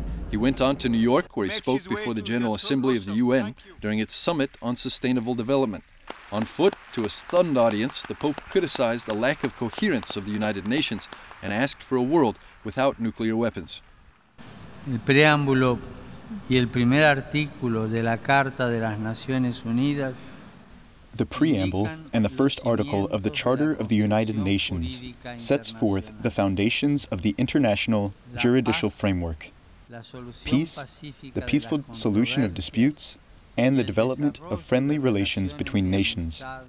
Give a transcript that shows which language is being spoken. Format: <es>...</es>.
<en>He went on to New York, where he spoke before the General Assembly of the UN during its summit on sustainable development. On foot, to a stunned audience, the Pope criticized the lack of coherence of the United Nations and asked for a world without nuclear weapons.</en> <es>El preámbulo y el primer artículo de la Carta de las Naciones Unidas.</es> <en>The preamble and the first article of the Charter of the United Nations sets forth the foundations of the international juridical framework. Peace, the peaceful solution of disputes, and the development of friendly relations between nations.</en>